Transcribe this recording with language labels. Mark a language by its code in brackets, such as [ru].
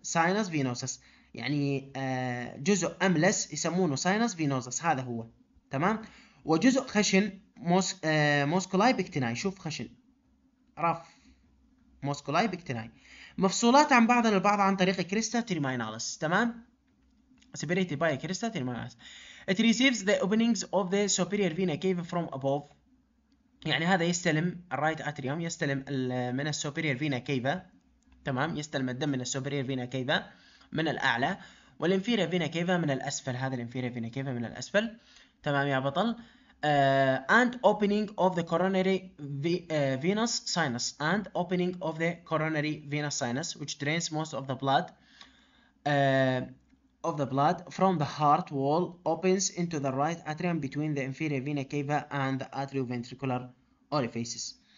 [ar] sinus venosus يعني جزء املس يسمونه sinus venosus هذا هو تمام، وجزء خشن موسكولاي بيكتيناي، شوف خشن رف موسكولاي بيكتيناي، مفصولات عن بعضها البعض عن طريق كريستا تيرمينالس، تمام؟ [en] separated by [ar] كريستا تيرمينالس. [en] It receives the openings of the superior vena cava from above. [ar] يعني هذا يستلم الرايت اتريوم، يستلم من السوبريور فينا كيفا، تمام، يستلم الدم من السوبريور فينا كيفا من الاعلى، والانفيريور فينا كيفا من الاسفل، هذا الانفيريور فينا كيفا من الاسفل، تمام يا بطل. [en] And opening of the coronary venous sinus and opening of the coronary venous sinus which drains most of the blood of the blood from the heart wall opens into the right atrium between the inferior vena cava and the atrioventricular orifices.